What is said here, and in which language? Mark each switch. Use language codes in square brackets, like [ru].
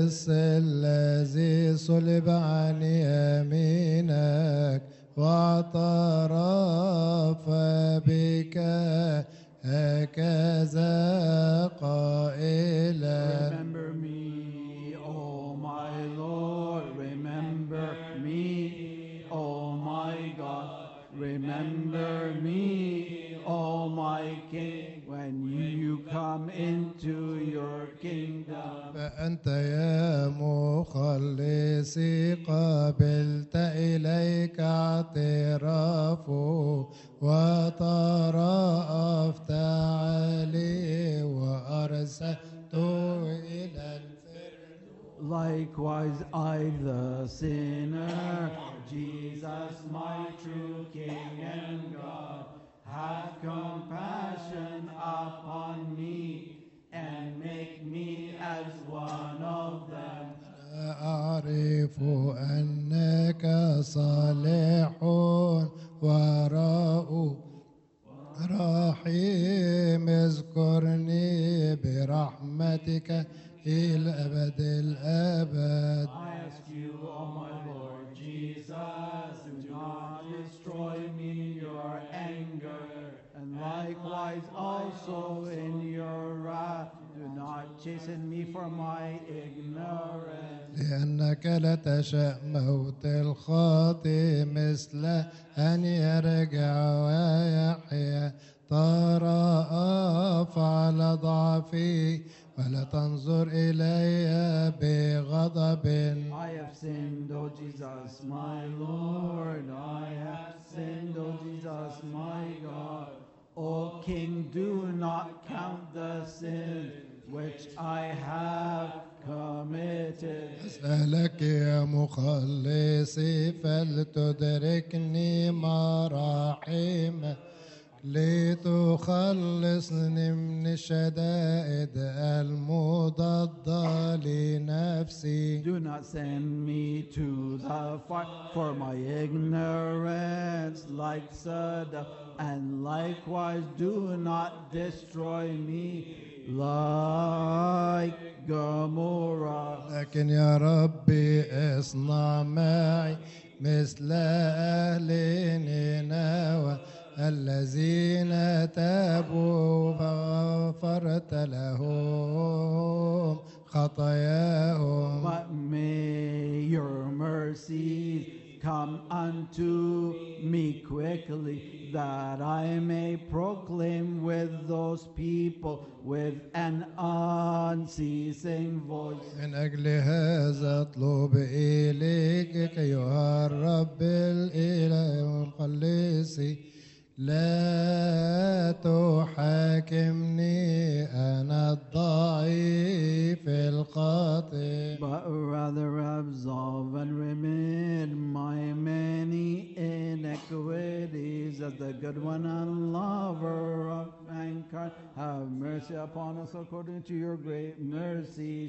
[ar] الذي صلب عن يمينك واعترف بك هكذا قائلا. [en] Remember me, oh my Lord, remember me, oh my God, remember me, oh my King, when you come into your kingdom. [ar] فأنت يا مخلصي قبلت إليك اعتراف وترأفت علي وأرسلت إلى الفردوس. [en] Likewise I the sinner, Jesus my true King and God, have compassion upon me and make me as one of them. [ar] أعرف أنك صالح ورحيم اذكرني برحمتك إلى أبد الأبد. [en] I ask you, O my Lord Jesus, do not destroy me in your anger, and likewise also in your wrath, do not chasten me for my ignorance. [ar] لأنك لا تشاء موت الخاطئ مثل أن يرجع ويحيا. ترأف على ضعفي ولا تنظر إلي بغضب. [en] I have sinned, O Jesus, my Lord. I have sinned, O Jesus, my God. O King, do not count the sin which I have committed. [ar] أسألك يا مخلصي فلتدركني مراحمك لتخلصني من شدائد المضادة لنفسي. [en] Do not send me to the fire for my ignorance like Sada, and likewise do not destroy me like Gomorrah. [ar] لكن يا ربي اصنع معي مثل أهل نينوى الذين تابوا فغفرت لهم خطاياهم. [en] But may your mercy come unto me quickly, that I may proclaim with those people with an unceasing voice. [ar] من أجل هذا أطلب إليك أيها الرب الإله المخلصي. لا تحاكمني أنا الضعيف الخاطئ. [en] But rather absolve and remit my many iniquities as the good one and lover of mankind. Have mercy upon us according to your great mercy.